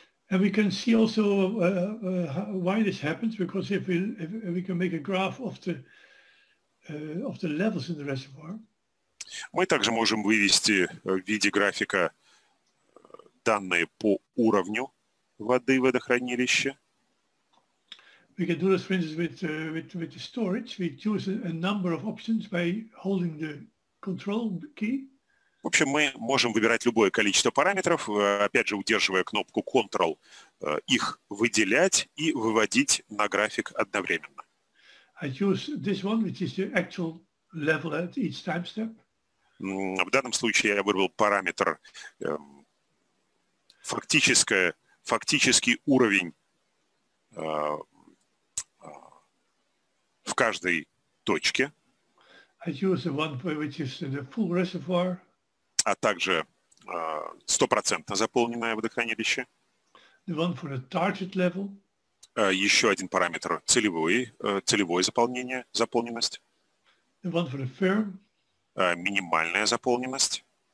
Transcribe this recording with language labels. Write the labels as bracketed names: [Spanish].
[English] And we can see also why this happens, because if we can make a graph of the levels in the reservoir. [Russian] Мы также можем вывести в виде графика данные по уровню воды в водохранилище. [English] We can do this, for instance, with the storage. We choose a number of options by holding the control key. [Russian] В общем, мы можем выбирать любое количество параметров, опять же, удерживая кнопку Ctrl, их выделять и выводить на график одновременно. [English] I use this one, which is the actual level at each time step. [Russian] В данном случае я выбрал параметр фактический уровень в каждой точке. [English] I use the one which is the full reservoir. [Russian] А также 100% заполненное водохранилище. [English] The one for the target level. [Russian] Еще один параметр целевое заполнение, заполненность. [English] The one for the firm. [Russian] Минимальная заполненность.